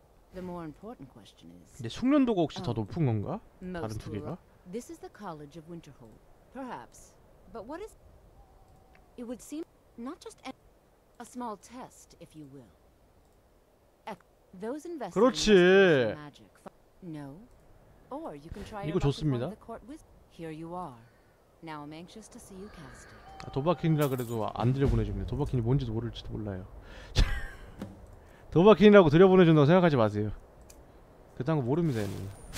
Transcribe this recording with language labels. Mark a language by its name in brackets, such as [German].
[Korean] 근데 숙련도가 혹시 더 높은 건가? 다른 두 개가? [English] This is the College of Winterhold. Perhaps, But what is... It would seem not just a small test, if you will. Those investigations. No. Or you can try to find the court wizard. Here you are. Now I'm anxious to see you cast it. [Korean] 아, 도박퀸이라 그래도 안 들여보내줍니다. 도박퀸이 뭔지도 모를지도 몰라요. 도박퀸이라고 들여보내준다고 생각하지 마세요. 그딴 거 모릅니다, 얘는.